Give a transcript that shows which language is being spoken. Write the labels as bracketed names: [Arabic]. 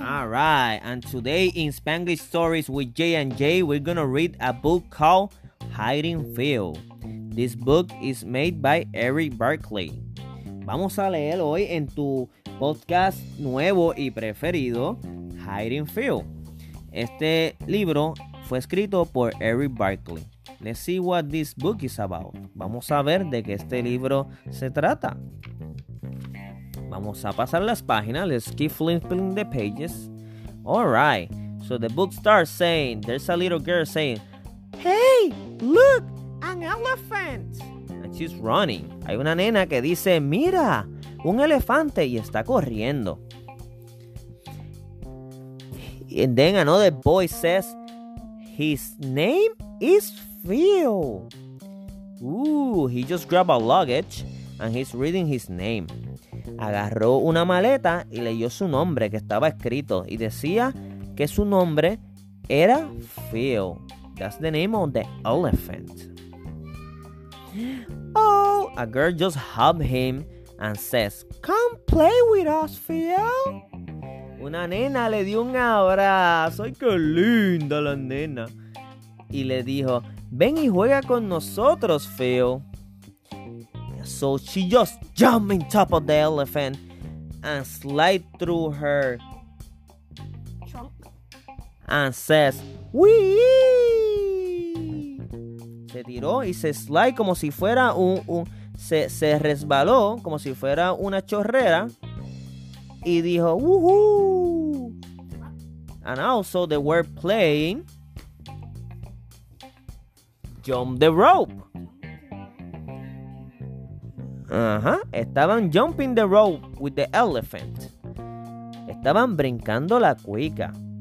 [English] All right, and today in Spanglish Stories with Jay and Jay, we're gonna read a book called Hiding Field. This book is made by Eric Berkeley. [Spanish] Vamos a leer hoy en tu podcast nuevo y preferido, Hiding Field. Este libro fue escrito por Eric Berkeley. [English] Let's see what this book is about. [Spanish] Vamos a ver de qué este libro se trata. Vamos a pasar las páginas. [English] Let's keep flipping the pages. Alright. So the book starts saying, there's a little girl saying, "Hey, look, an elephant." And she's running. [Spanish] Hay una nena que dice, "Mira, un elefante," y está corriendo. [English] And then another boy says, "His name is Phil." Ooh, he just grabbed a luggage and he's reading his name. [Spanish] Agarró una maleta y leyó su nombre que estaba escrito y decía que su nombre era Phil. [English] That's the name of the elephant. Oh, a girl just hugged him and says, "Come play with us, Phil." [Spanish] Una nena le dio un abrazo. ¡Ay, qué linda la nena! Y le dijo, "Ven y juega con nosotros, Phil." [English] So she just jumped on top of the elephant and slid through her trunk and says, "Wee!" [Spanish] Se tiró y se [English] slid [Spanish] como si fuera se resbaló como si fuera una chorrera y dijo, "Woohoo!" [English] And also they were playing jump the rope. Estaban jumping the rope with the elephant. [Spanish] Estaban brincando la cuica.